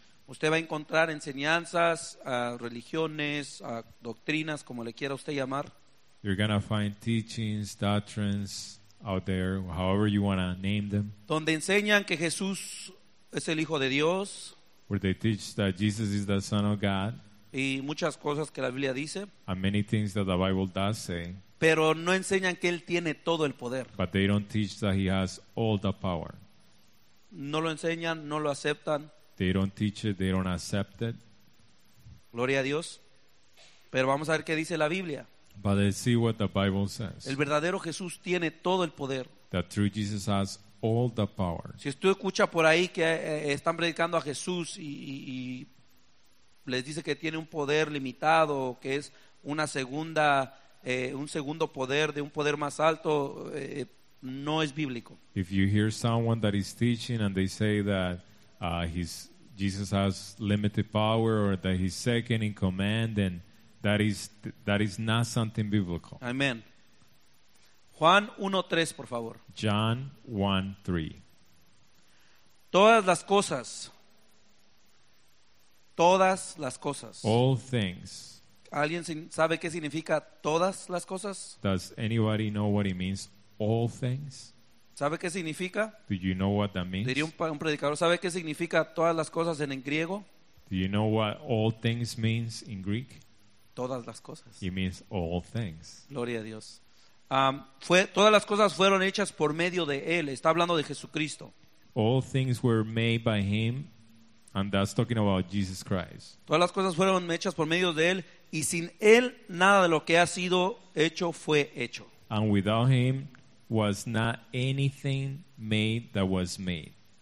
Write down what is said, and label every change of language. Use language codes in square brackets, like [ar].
[es] Usted va a encontrar enseñanzas, religiones, doctrinas, como le quiera usted llamar. [en] You're going to find teachings, doctrines out there, however you want to name them. [es] Donde enseñan que Jesús es el Hijo de Dios. [en] Where they teach that Jesus is the Son of God. [es] Y muchas cosas que la Biblia dice. [en] And many things that the Bible does say. [es] Pero no enseñan que Él tiene todo el poder. [en] But they don't teach that He has all the power. [es] No lo enseñan, no lo aceptan. [en] They don't teach it, they don't accept it. [es] Gloria a Dios. Pero vamos a ver qué dice la Biblia. [en] But let's see what the Bible says. [es] El verdadero Jesús tiene todo el poder. [en] The true Jesus has all the power. [es] Si usted escucha por ahí que están predicando a Jesús y les dice que tiene un poder limitado, que es una segunda, un segundo poder de un poder más alto, no es bíblico. [en] If you hear someone that is teaching and they say that Jesus has limited power or that he's second in command, and that is not something biblical. [es] Amen. Juan 1:3, por favor. [en] John 1:3. [es] Todas las cosas. Todas las cosas. [en] All things. [es] ¿Alguien sabe qué significa todas las cosas? [en] Does anybody know what it means, all things? [es] ¿Sabe qué significa? [en] Do you know what that means? [es] Diría un predicador, ¿sabe qué significa todas las cosas en griego? [en] Do you know what all things means in Greek? [es] Todas las cosas. [en] It means all things. [es] Gloria a Dios. Todas las cosas fueron hechas por medio de Él. Está hablando de Jesucristo. [en] All things were made by Him, and that's talking about Jesus Christ. [es] Todas las cosas fueron hechas por medio de Él, y sin Él nada de lo que ha sido hecho fue hecho. [en] And without Him was not anything made that was made.